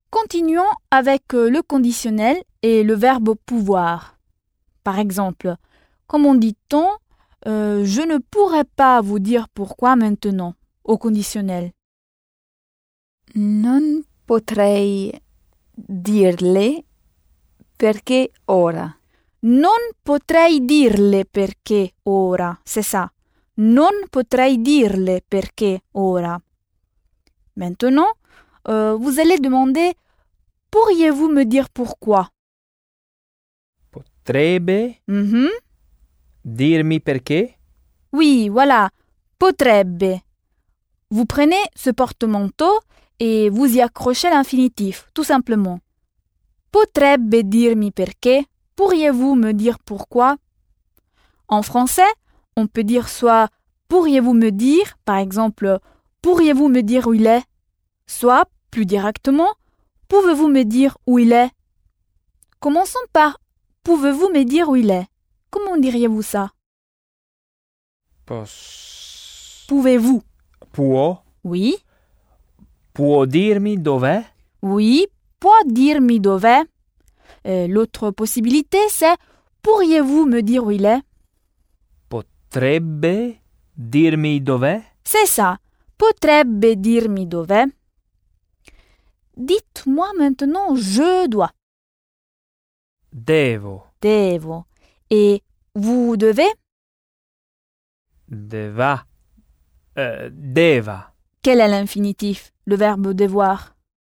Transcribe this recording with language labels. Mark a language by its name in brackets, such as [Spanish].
[French] continuons avec le conditionnel et le verbe pouvoir. Par exemple, comment dit-on « je ne pourrais pas vous dire pourquoi maintenant » au conditionnel? [Italian] Non potrei dirle perché ora. Non potrei dirle perché ora, [French] c'est ça. [Italian] Non potrei dirle perché ora. [French] Maintenant, vous allez demander « pourriez-vous me dire pourquoi ?» [Italian] Potrebbe dirmi perché? [French] Oui, voilà, potrebbe. Vous prenez ce porte-manteau et vous y accrochez l'infinitif, tout simplement. [Italian] Potrebbe dirmi perché? [French] Pourriez-vous me dire pourquoi? En français, on peut dire soit « pourriez-vous me dire ?» par exemple « pourriez-vous me dire où il est ?» soit, plus directement, « pouvez-vous me dire où il est ?» Commençons par « pouvez-vous me dire où il est ?» Comment diriez-vous ça? Pouvez-vous? [Italian] Può? [French] Oui. [Italian] Può dirmi dov'è? [French] Oui, [Italian] può dirmi dov'è. [French] L'autre possibilité, c'est « pourriez-vous me dire où il est ?» [Italian] Potrebbe dirmi dov'è? [French] C'est ça, [Italian] potrebbe dirmi dov'è. [French] Dites-moi maintenant « je dois ». [Italian] Devo. Devo. [French] Et vous devez? [Italian] Deva. Deva. [French] Quel est l'infinitif, le verbe devoir?